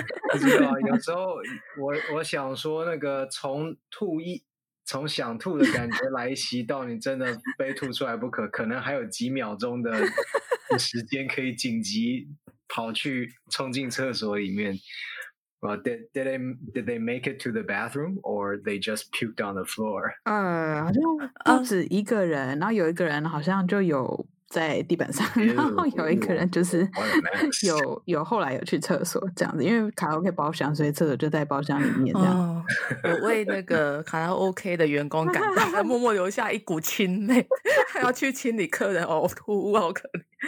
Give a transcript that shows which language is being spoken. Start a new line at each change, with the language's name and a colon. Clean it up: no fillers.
Chinese: 不知道，有时候 我想说那个从想吐的感觉来袭到你真的非吐出来不可，可能还有几秒钟的时间可以紧急跑去冲进厕所里面。
English: Well, did they make it to the bathroom or they just puked on the floor?
Chinese: 好像不止一个人，然后有一个人好像就有在地板上，然后有一个人就是有后来有去厕所这样子，因为卡拉 OK 包厢，所以厕所就在包厢里面这样。我为那个卡拉 OK 的员工感到他默默留下一股清泪，还要去清理客人呕吐，好可怜。